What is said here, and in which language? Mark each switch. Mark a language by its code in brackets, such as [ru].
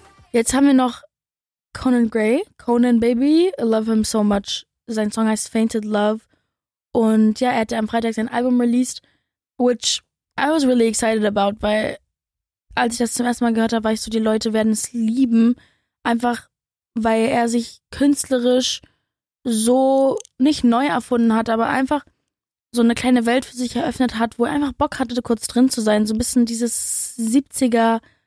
[de] Jetzt haben wir noch Conan Gray. [en] Conan Baby, I love him so much. [de] Sein Song heißt Fainted Love. Und ja, er hatte am Freitag sein Album released, [en] which I was really excited about, [de] weil als ich das zum ersten Mal gehört habe, war ich so, die Leute werden es lieben. Einfach, weil er sich künstlerisch so nicht neu erfunden hat, aber einfach so eine kleine Welt für sich eröffnet hat, wo er einfach Bock hatte, kurz drin zu sein. So ein bisschen dieses 70er